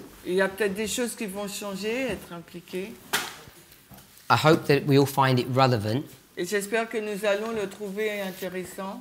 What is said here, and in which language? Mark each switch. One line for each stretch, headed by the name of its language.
French: Il y a peut-être des choses qui vont changer, être impliquées.
English: I hope that we all find it relevant.
French: Et j'espère que nous allons le trouver intéressant.